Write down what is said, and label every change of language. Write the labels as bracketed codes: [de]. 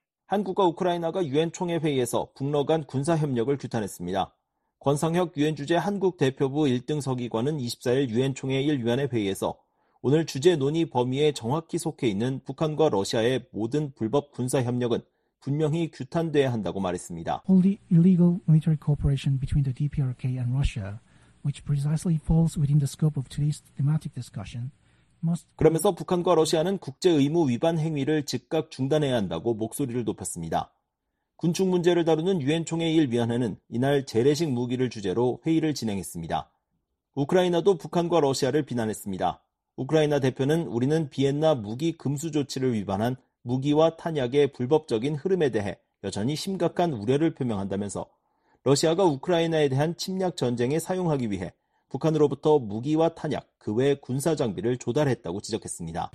[ko] 한국과 우크라이나가 유엔 총회 회의에서 북러 간 군사협력을 규탄했습니다. 권상혁 유엔 주재 한국 대표부 1등 서기관은 24일 유엔 총회 1위원회 회의에서 오늘 주재 논의 범위에 정확히 속해 있는 북한과 러시아의 모든 불법 군사협력은 분명히 규탄돼야 한다고 말했습니다. [en] All the illegal military cooperation between the DPRK and Russia, which precisely falls within the scope of today's thematic discussion, [ko] 그러면서 북한과 러시아는 국제 의무 위반 행위를 즉각 중단해야 한다고 목소리를 높였습니다. 군축 문제를 다루는 유엔 총회 1위원회는 이날 재래식 무기를 주제로 회의를 진행했습니다. 우크라이나도 북한과 러시아를 비난했습니다. 우크라이나 대표는 우리는 비엔나 무기 금수 조치를 위반한 무기와 탄약의 불법적인 흐름에 대해 여전히 심각한 우려를 표명한다면서 러시아가 우크라이나에 대한 침략 전쟁에 사용하기 위해 북한으로부터 무기와 탄약, 그 외 군사 장비를 조달했다고 지적했습니다.